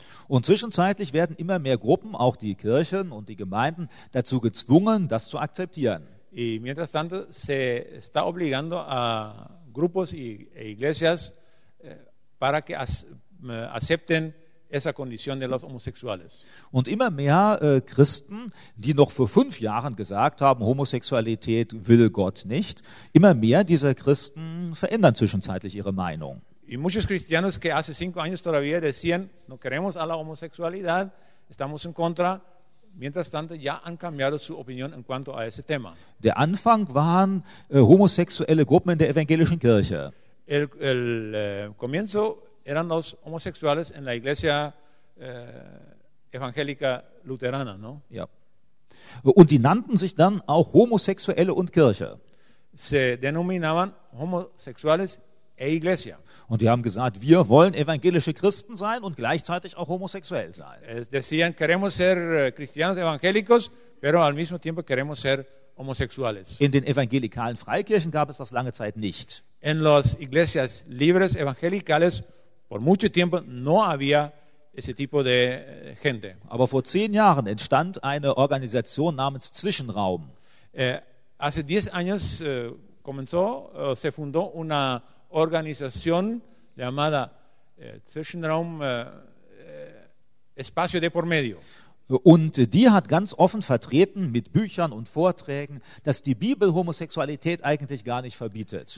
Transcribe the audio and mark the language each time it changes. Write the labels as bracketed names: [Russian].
[German] Und zwischenzeitlich werden immer mehr Gruppen, auch die Kirchen und die Gemeinden, dazu gezwungen, das zu akzeptieren. [Spanish] Y mientras tanto se está obligando a grupos e iglesias para que acepten esa condición de los homosexuales. [German] Und immer mehr Christen, die noch vor 5 Jahren gesagt haben, Homosexualität will Gott nicht, immer mehr dieser Christen verändern zwischenzeitlich ihre Meinung. [Spanish] Y muchos cristianos que hace 5 años todavía decían, no queremos a la homosexualidad, estamos en contra. Mientras tanto, ya han cambiado su opinión en cuanto a ese tema. [German] Der Anfang waren homosexuelle Gruppen in der evangelischen Kirche. [Spanish] El comienzo eran los homosexuales en la iglesia evangélica luterana, ¿no? [German] Ja. Und die nannten sich dann auch Homosexuelle und Kirche. [Spanish] Se denominaban homosexuales e iglesia. [German] Und die haben gesagt, wir wollen evangelische Christen sein und gleichzeitig auch homosexuell sein. [Spanish] Decían, queremos ser cristianos evangélicos, pero al mismo tiempo queremos ser homosexuales. [German] In den evangelikalen Freikirchen gab es das lange Zeit nicht. [Spanish] En las iglesias libres evangelicales, por mucho tiempo no había ese tipo de gente. [German] Aber vor 10 Jahren entstand eine Organisation namens Zwischenraum. [Spanish] Hace 10 años comenzó, se fundó una organización llamada Zwischenraum, Espacio de por medio. [German] Und die hat ganz offen vertreten mit Büchern und Vorträgen, dass die Bibel Homosexualität eigentlich gar nicht verbietet.